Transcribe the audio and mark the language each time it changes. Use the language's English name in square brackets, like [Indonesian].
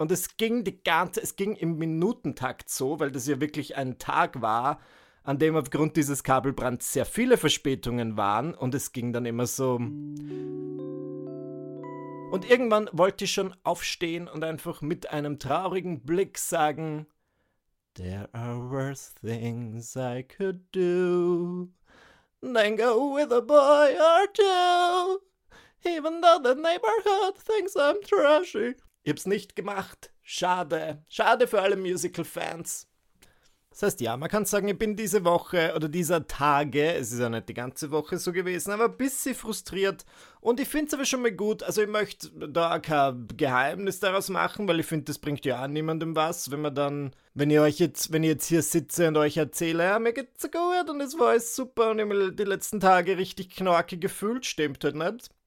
[German] Und es ging im Minutentakt so, weil das ja wirklich ein Tag war, an dem aufgrund dieses Kabelbrands sehr viele Verspätungen waren. Und es ging dann immer so. Und irgendwann wollte ich schon aufstehen und einfach mit einem traurigen Blick sagen, There are worse things I could do. [English] Then go with a boy or two, even though the neighborhood thinks I'm trashy. [German] Ich hab's nicht gemacht. Schade. Schade für alle Musical-Fans. Das heißt, ja, man kann sagen, ich bin diese Woche oder dieser Tage, es ist ja nicht die ganze Woche so gewesen, aber ein bisschen frustriert. Und ich finde es aber schon mal gut, also ich möchte da kein Geheimnis daraus machen, weil ich finde, das bringt ja auch niemandem was, wenn ich jetzt hier sitze und euch erzähle, ja, mir geht's so gut und es war alles super und ich habe die letzten Tage richtig knorke gefühlt, stimmt halt nicht.